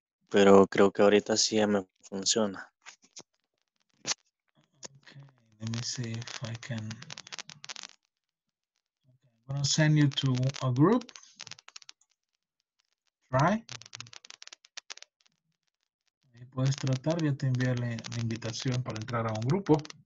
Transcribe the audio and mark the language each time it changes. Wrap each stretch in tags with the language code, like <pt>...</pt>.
<es>Pero creo que ahorita sí ya me funciona.</es> <en>Okay, let me see if I can. Okay, I'm gonna send you to a group. Try.</en> <es>Puedes tratar, ya te envié la invitación para entrar a un grupo.</es>